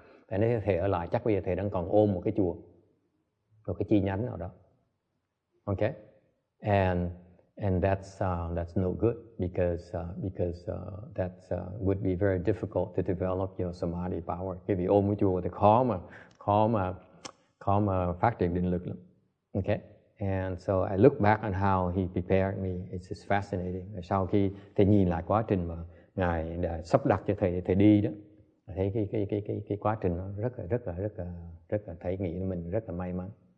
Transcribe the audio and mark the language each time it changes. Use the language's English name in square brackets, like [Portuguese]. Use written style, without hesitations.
[Vietnamese] Thế nên thầy ở lại chắc bây giờ thầy đang còn ôm một cái chùa, một cái chi nhánh nào đó, okay? [English] And that's no good, because that would be very difficult to develop your samadhi power. [Vietnamese] Cái việc ôm cái chùa thì khó mà phát triển định lực lắm, okay? [English] And so I look back on how he prepared me. It's just fascinating. [Vietnamese] Sau khi thầy nhìn lại quá trình mà Ngài đã sắp đặt cho thầy đi đó, thấy cái quá trình nó rất là thấy nghĩ mình rất là may mắn.